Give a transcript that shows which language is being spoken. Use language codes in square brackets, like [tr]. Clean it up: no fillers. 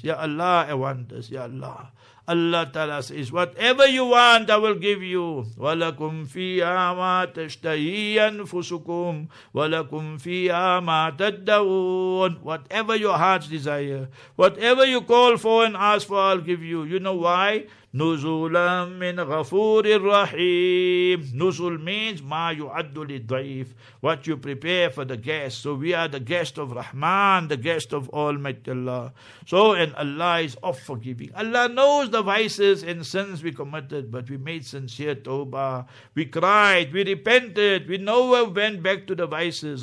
[en] Ya Allah, I want this. Ya Allah. Allah Ta'ala says, whatever you want, I will give you. [ar] وَلَكُمْ فِيهَا مَا تَشْتَهِي أَنفُسُكُمْ وَلَكُمْ فِيهَا مَا تَدَّعُونَ. [en] Whatever your heart's desire, whatever you call for and ask for, I'll give you. You know why? [ar] نُزُولًا مِّنْ غَفُورِ الرَّحِيمِ. [en] Nuzul means [ar] مَا يُعَدُّ لِلْضَعِيفِ. [en] What you prepare for the guest. So we are the guest of Rahman, the guest of Almighty Allah. So, and Allah is of forgiving. Allah knows the vices and sins we committed, but we made sincere tawbah. We cried, we repented, we never went back to the vices.